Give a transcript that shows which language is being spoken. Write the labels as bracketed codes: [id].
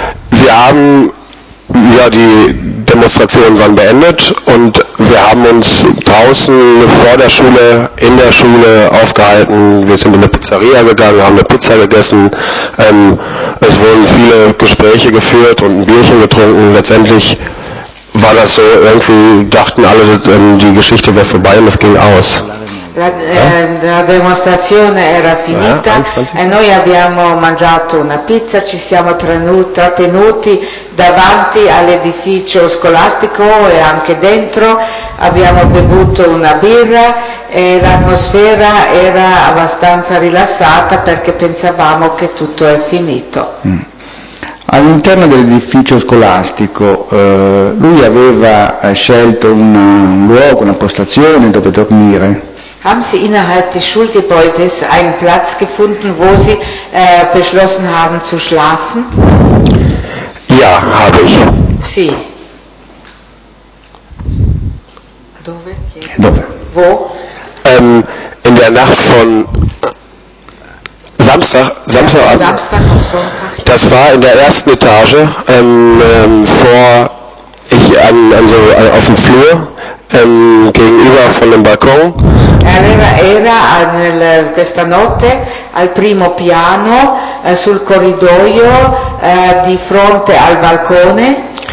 [de] Wir haben ja die Demonstrationen waren beendet und wir haben uns draußen vor der Schule, in der Schule aufgehalten. Wir sind in eine Pizzeria gegangen, haben eine Pizza gegessen. Es wurden viele Gespräche geführt und ein Bierchen getrunken. Letztendlich war das so, irgendwie dachten alle, die Geschichte wäre vorbei und es ging aus. [it] La demonstrazione era finita e noi abbiamo mangiato una pizza, ci siamo tenuti davanti all'edificio scolastico e anche dentro, abbiamo bevuto una birra e l'atmosfera era abbastanza rilassata perché pensavamo che tutto è finito. All'interno dell'edificio scolastico, lui aveva scelto un luogo, una postazione dove dormire? [de] Haben Sie innerhalb des Schulgebäudes einen Platz gefunden, wo Sie beschlossen haben zu schlafen? Ja, habe ich. [it] Sì. Dove? Dove? [de] Wo? In der Nacht von Samstag auf Sonntag. Das war in der ersten Etage, auf dem Flur, gegenüber von dem Balkon. [it] Era questa notte al primo piano, sul corridoio, di fronte al balcone.